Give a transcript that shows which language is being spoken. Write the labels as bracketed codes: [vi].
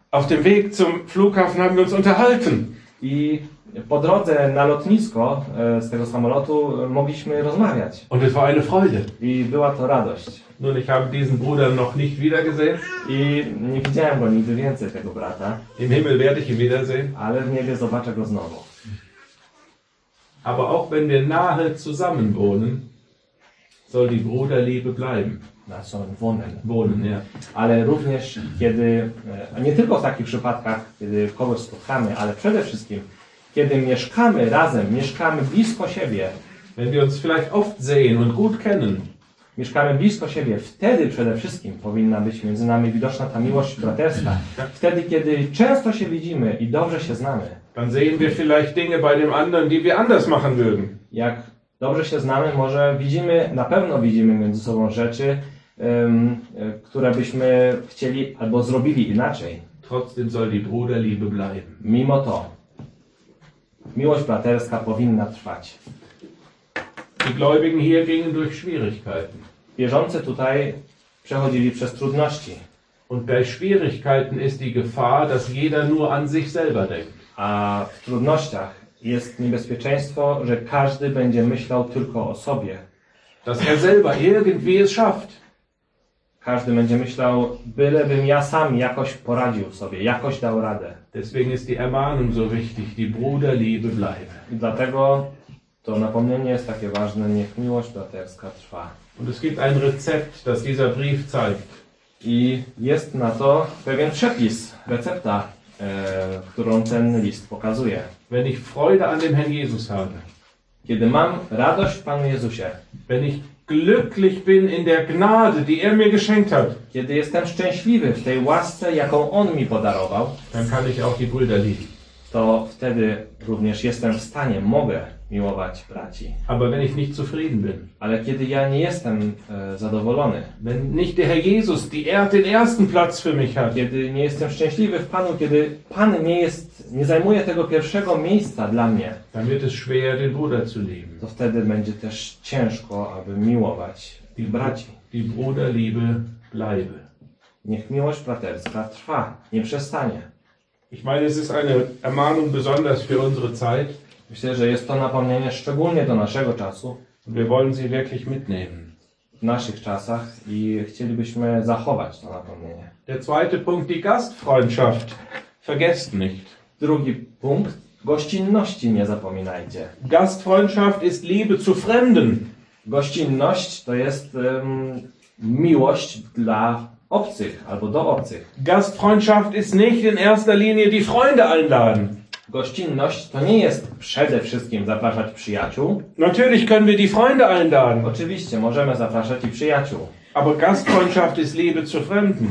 [de] Auf dem Weg zum Flughafen haben wir uns unterhalten. [pl] I po drodze na lotnisko z tego samolotu mogliśmy rozmawiać. [de] Und es war eine Freude. [pl] I była to radość. [de] Nun, ich habe diesen Bruder noch nicht wiedergesehen. [pl] I nie widziałem go nigdy więcej, tego brata. [de] Im Himmel werde ich ihn wiedersehen. [pl] Ale w niebie zobaczę go znowu. [de] Aber auch wenn wir nahe zusammen wohnen, soll die Bruderliebe bleiben. Na sollen wohnen. Wohnen, ja. [pl] Ale również, kiedy, nie tylko w takich przypadkach, kiedy kogoś spotkamy, ale przede wszystkim, kiedy mieszkamy razem, mieszkamy blisko siebie. [de] Wenn wir uns vielleicht oft sehen und gut kennen. [pl] Mieszkamy blisko siebie, wtedy przede wszystkim powinna być między nami widoczna ta miłość braterska. Wtedy, kiedy często się widzimy i dobrze się znamy. [de] Dann sehen wir vielleicht Dinge bei dem anderen, die wir anders machen würden. [pl] Jak dobrze się znamy, może widzimy, na pewno widzimy między sobą rzeczy, które byśmy chcieli albo zrobili inaczej. [de] Trotzdem soll die Bruderliebe bleiben. [pl] Mimo to, miłość braterska powinna trwać. [de] Die Gläubigen hier gingen durch Schwierigkeiten. [pl] Wierzący tutaj przechodzili przez trudności. [de] Und bei Schwierigkeiten ist die Gefahr, dass jeder nur an sich selber denkt. [pl] A w trudnościach jest niebezpieczeństwo, że każdy będzie myślał tylko o sobie. [de] Dass er selber irgendwie es schafft. [pl] Każdy będzie myślał, bylebym ja sam jakoś poradził sobie, jakoś dał radę. [de] Deswegen ist die Ermahnung so wichtig, die Bruderliebe bleibe. [pl] I dlatego to napomnienie jest takie ważne, niech miłość braterska trwa. [de] Und es gibt ein Rezept, das dieser Brief zeigt. [pl] I jest na to pewien przepis, recepta, którą ten list pokazuje. [de] Wenn ich Freude an dem Herrn Jesus habe. [pl] Kiedy mam radość w Panu Jezusie. [de] Wenn ich glücklich bin in der Gnade, die er mir geschenkt hat. [pl] Kiedy jestem szczęśliwy w tej łasce, jaką on mi podarował. [de] Dann kann ich auch die Brüder lieben. [pl] To wtedy również jestem w stanie, mogę miłować braci. [de] Aber wenn ich nicht zufrieden bin. [pl] Ale kiedy ja nie jestem zadowolony. [de] Wenn nicht der Herr Jesus, die den ersten Platz für mich hat. [pl] Kiedy nie jestem szczęśliwy w Panu, kiedy Pan nie jest, nie zajmuje tego pierwszego miejsca dla mnie. [de] Dann wird es schwer, den Bruder zu lieben. [pl] To wtedy będzie też ciężko, aby miłować tych braci. [de] Die Bruderliebe bleibe. [pl] Niech miłość braterska trwa, nie przestanie. [de] Ich meine, es ist eine Ermahnung besonders für unsere Zeit. [pl] Myślę, że jest to napomnienie szczególnie do naszego czasu. [de] Wir wollen sie wirklich mitnehmen. [pl] w naszych czasach i chcielibyśmy zachować to napomnienie. [de] Der zweite Punkt, die Gastfreundschaft. Vergesst nicht. [pl] Drugi punkt, gościnności nie zapominajcie. [de] Gastfreundschaft ist Liebe zu Fremden. [pl] Gościnność to jest miłość dla obcych albo do obcych. [de] Gastfreundschaft ist nicht in erster Linie die Freunde einladen. [pl] Gościnność to nie jest przede wszystkim zapraszać przyjaciół. [de] Natürlich können wir die Freunde einladen. [pl] Oczywiście możemy zapraszać i przyjaciół. [de] Aber Gastfreundschaft ist Liebe zu Fremden.